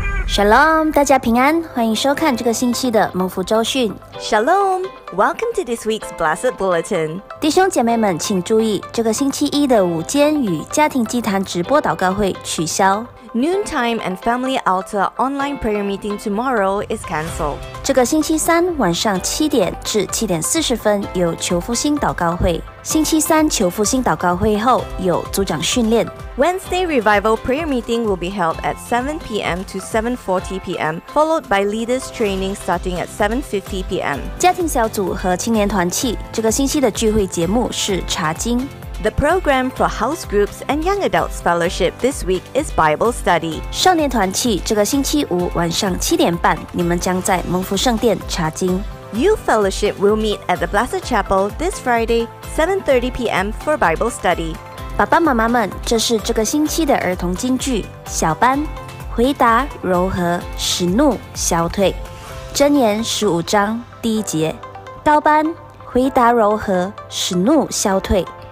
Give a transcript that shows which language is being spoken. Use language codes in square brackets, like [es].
[zh] Shalom, 大家平安，欢迎收看这个星期的蒙福周讯。 [en] Shalom, welcome to this week's Blessed Bulletin. [zh] 弟兄姐妹们请注意，这个星期一的午间与家庭祭坛直播祷告会取消。 [en] Noontime and Family Altar Online Prayer Meeting tomorrow is cancelled. [zh] 这个星期三晚上7点至7点40分有求复兴祷告会。星期三求复兴祷告会后有组长训练。 [en] Wednesday Revival Prayer Meeting will be held at 7pm to 7:40pm, followed by leaders training starting at 7:50pm. [zh] 家庭小组和青年团契，这个星期的聚会节目是查经。 [en] The program for house groups and young adults fellowship this week is Bible study. [zh] 少年团契这个星期五晚上7点半，你们将在蒙福圣殿查经。 [en] Youth fellowship will meet at the Blessed Chapel this Friday, 7:30 p.m. for Bible study. [zh] 爸爸妈妈们，这是这个星期的儿童金句：小班，回答柔和，使怒消退。箴言15:1，高班，回答柔和，使怒消退。